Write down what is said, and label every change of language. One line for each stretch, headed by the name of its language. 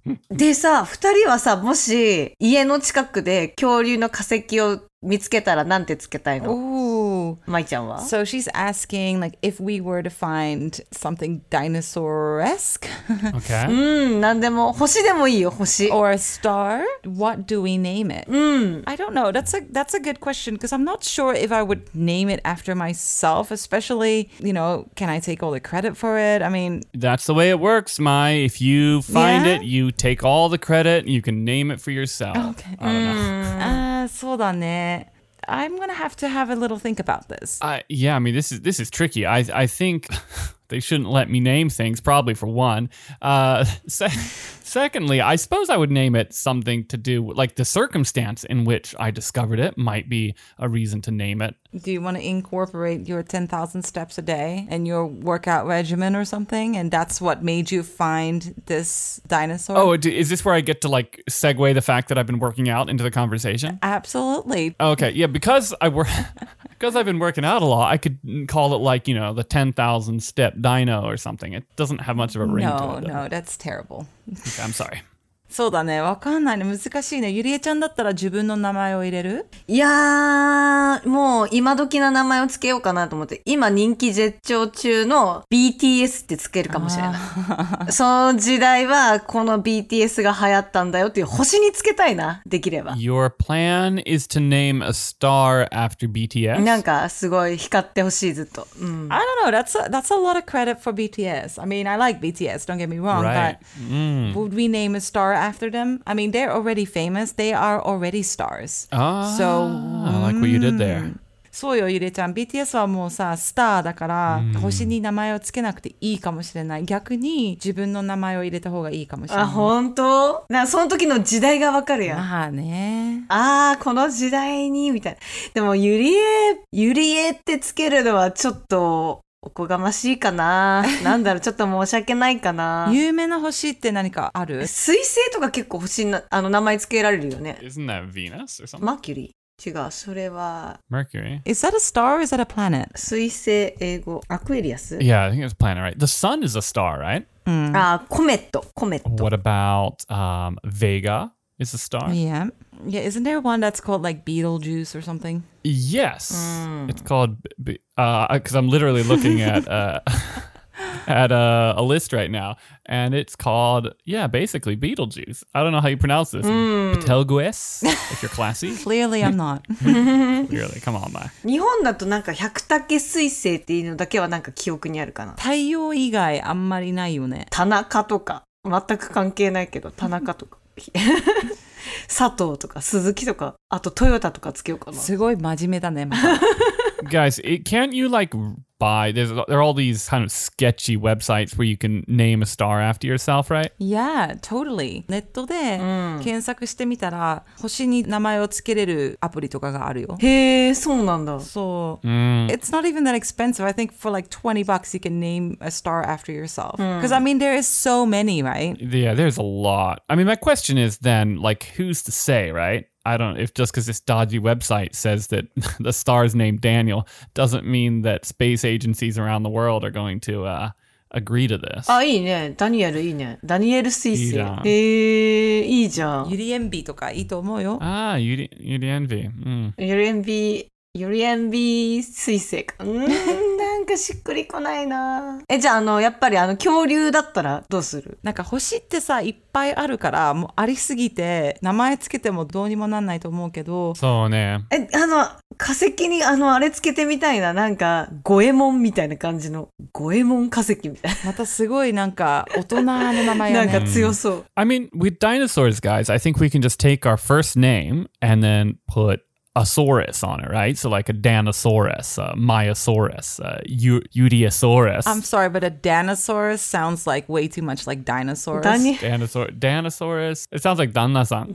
Japanese: でさ、2人はさ、もし家の近くで恐竜の化石を見つけたらなんてつけたいの？マイちゃんは？
English: So she's asking, like, if we were to find something dinosaur-esque. Okay.
Japanese: うん、何でも、星でもいいよ、星。
English: Or a star? What do we name it?
Japanese: うん。
English: I don't know. That's a good question, because I'm not sure if I would name it after myself, especially, you know, can I take all the credit for it? I mean... That's the way it works, Mai. If you find it, you take all the credit, and you can name it for yourself. Okay. I don't know.
Japanese: そうだね。
English: I'm going to have a little think about this. Yeah, I mean, this is tricky. I think they shouldn't let me name things, probably for one. Secondly, I suppose I would name it something to do with, like, the circumstance in which I discovered it might be a reason to name it. Do you want to incorporate your 10,000 steps a day and your workout regimen or something? And that's what made you find this dinosaur? Oh, is this where I get to, like, segue the fact that I've been working out into the conversation? Absolutely. Okay, yeah, because I've been working out a lot, I could call it, like, you know, the 10,000 step dino or something. It doesn't have much of a ring to it. No, that's terrible. Okay, I'm sorry.
Japanese: そうだね、わかんないね、難しいね。ゆりえちゃんだったら自分の名前を入れる？いやー、もう今時の名前をつけようかなと思って、今人気絶頂中の BTS ってつけるかもしれない。その時代はこの BTS が流行ったんだよっていう星につけたいな、できれば。
English: Your plan is to name a star after BTS?
Japanese: なんかすごい光ってほしいずっと。
English: I don't know, that's a lot of credit for BTS. I mean, I like BTS, don't get me wrong, but would we name a star after them? I mean, they're already famous. They are already stars. Ah, so, I like what you did there.
Japanese: そうよ、ゆれちゃん。 BTS はもうさ、スターだから、星に名前をつけなくていいかもしれない。逆に、自分の名前を入れた方がいいかもしれない。あ、本当？なんかその時の時代がわかるやん。まあね。ああ、この時代に、みたいな。でも、ゆりえってつけるのはちょっと、おこがましいかな。なんだろう、ちょっと申し訳ないかな。有名な星って何かある？彗星とか結構星な、あの名前つけられるよね。
English: Isn't that Venus or something?
Japanese: マーキュリー。違う、それは。
English: Mercury? Is that a star or is that a planet?
Japanese: 彗星、英語。アクエリアス？
English: Yeah, I think it's a planet, right? The sun is a star, right?
Japanese: あ、コメット、コメット。
English: What about, Vega is a star? Yeah, isn't there one that's called like Betelgeuse or something? Yes, it's called, because I'm literally looking at a list right now, and it's called, yeah, basically Betelgeuse. I don't know how you pronounce this. Betelgeuse, if you're classy. Clearly, I'm not. Clearly, come on, Mai.
Japanese: 日本だとなんか百武彗星っていうのだけはなんか記憶にあるかな。太陽以外あんまりないよね。田中とか、全く関係ないけど、田中とか。佐藤とか鈴木とかあとトヨタとかつけようかな。すごい真面目だね。
English: Guys, can't you like by, there are all these kind of sketchy websites where you can name a star after yourself, right? Yeah, totally.
Japanese: ネットで検索してみたら、星に名前をつけれるアプリとかがあるよ。へえ、そうなんだ。そう。
English: It's not even that expensive. I think for like $20, you can name a star after yourself. Because I mean, there is so many, right? Yeah, there's a lot. I mean, my question is then, like, who's to say, right? I don't know if just because this dodgy website says that the star is named Daniel doesn't mean that space agencies around the world are going to agree to this.
Japanese: Ah, いいね。Daniel, いいね。Daniel Cici. いいじゃん。へー、いいじゃん。ユリエンビとかいいと思うよ。 Ah, ユリエンビ。ユリエンビ、ユリエンビ彗星。なんかしっくりこないな。え、じゃあ、やっぱり恐竜だったらどうする？なんか星ってさ、いっぱいあるから、もうありすぎて、名前つけてもどうにもなんないと思うけど。そうね。え、化石にあれつけてみたいな、なんか、ゴエモンみたいな感じの、ゴエモン化石みたいな。またすごいなんか、大人の名前やね。なんか強そう。
English: I mean, with dinosaurs, guys, I think we can just take our first name and then put... A saurus on it, right? So like a Danosaurus, a Myceratops, a Yuriesaurus. I'm sorry, but a Danosaurus sounds like way too much like dinosaurs. Danosaurus. It sounds like Danna-san.